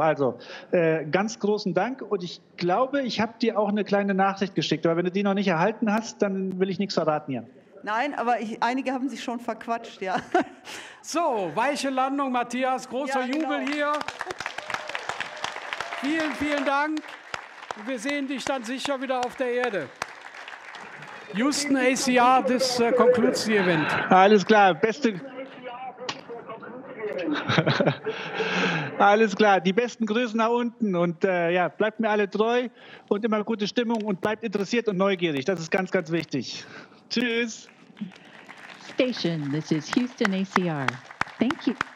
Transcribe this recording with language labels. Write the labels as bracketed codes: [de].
[de] Also ganz großen Dank, und ich glaube, ich habe dir auch eine kleine Nachricht geschickt, aber wenn du die noch nicht erhalten hast, dann will ich nichts verraten hier. Nein, aber einige haben sich schon verquatscht, ja. So, weiche Landung, Matthias, großer Jubel hier. Vielen, vielen Dank. Wir sehen dich dann sicher wieder auf der Erde. [en] Houston ACR, [de] das [en] concludes the event. [de] Alles klar, beste. Alles klar, die besten Grüße nach unten. Und ja, bleibt mir alle treu und immer gute Stimmung und bleibt interessiert und neugierig. Das ist ganz, ganz wichtig. Tschüss. [en] Station, this is Houston ACR. Thank you.